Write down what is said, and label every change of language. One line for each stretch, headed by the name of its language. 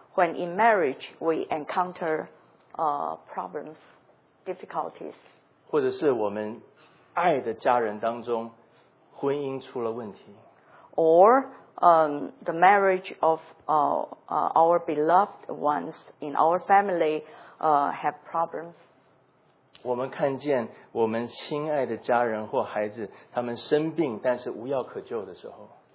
English: when in marriage we encounter problems, difficulties,
Chinese: 或者是我们爱的家人当中婚姻出了问题，
English: or the marriage of our beloved ones in our family have problems.
Chinese: 我们看见我们亲爱的家人或孩子，他们生病但是无药可救的时候，